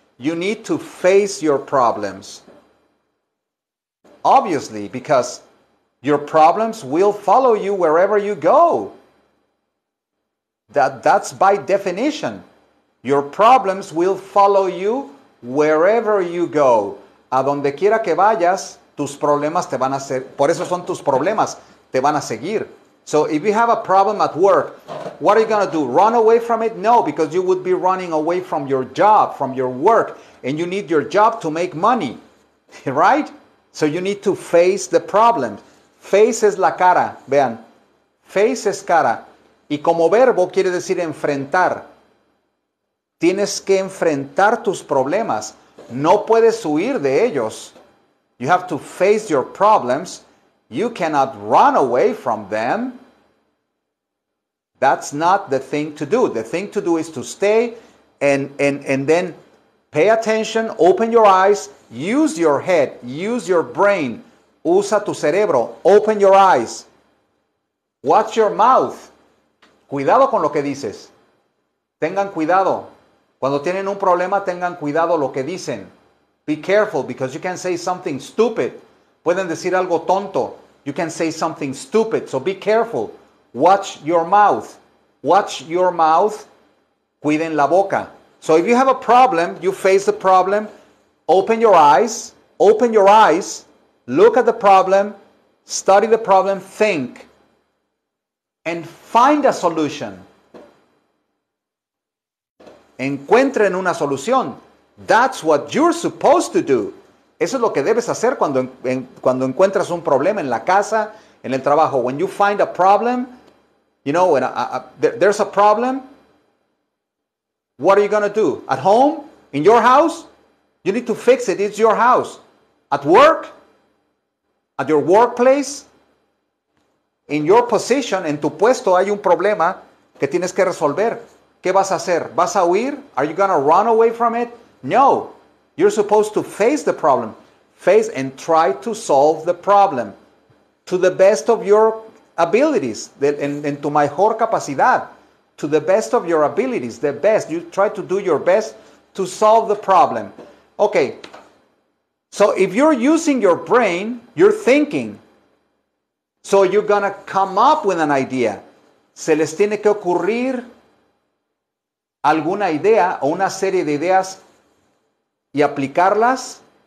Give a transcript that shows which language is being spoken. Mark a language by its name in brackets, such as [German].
[English] You need to face your problems. Obviously, because your problems will follow you wherever you go. That's by definition. Your problems will follow you wherever you go. [Spanish] A donde quiera que vayas, tus problemas te van a seguir. Por eso son tus problemas. Te van a seguir. [English] So if you have a problem at work, what are you going to do? Run away from it? No, because you would be running away from your job, from your work. And you need your job to make money. Right? So you need to face the problem. Face [Spanish] es la cara. Vean. Face es cara. Y como verbo quiere decir enfrentar. Tienes que enfrentar tus problemas. No puedes huir de ellos. [English] You have to face your problems. You cannot run away from them. That's not the thing to do. The thing to do is to stay and then pay attention, open your eyes, use your head, use your brain. [Spanish] Usa tu cerebro. [English] Open your eyes. Watch your mouth. [Spanish] Cuidado con lo que dices. Tengan cuidado. Cuando tienen un problema, tengan cuidado lo que dicen. [English] Be careful, because you can say something stupid. [Spanish] Pueden decir algo tonto. [English] You can say something stupid. So be careful. Watch your mouth. Watch your mouth. [Spanish] Cuiden la boca. [English] So if you have a problem, you face the problem. Open your eyes. Open your eyes. Look at the problem. Study the problem. Think. And find a solution. [Spanish] Encuentren una solución. [English] That's what you're supposed to do. [Spanish] Eso es lo que debes hacer cuando encuentras un problema en la casa, en el trabajo. [English] When you find a problem, you know, when there's a problem, what are you going to do? At home? In your house? You need to fix it. It's your house. At work? At your workplace? In your position, [Spanish] en tu puesto, hay un problema que tienes que resolver. ¿Qué vas a hacer? ¿Vas a huir? [English] Are you going to run away from it? No. You're supposed to face the problem. Face and try to solve the problem to the best of your abilities. [Spanish] En tu mejor capacidad. [English] To the best of your abilities. The best. You try to do your best to solve the problem. Okay. So if you're using your brain, you're thinking. So you're going to come up with an idea. [Spanish] Se les tiene que ocurrir alguna idea o una serie de ideas y aplicarlas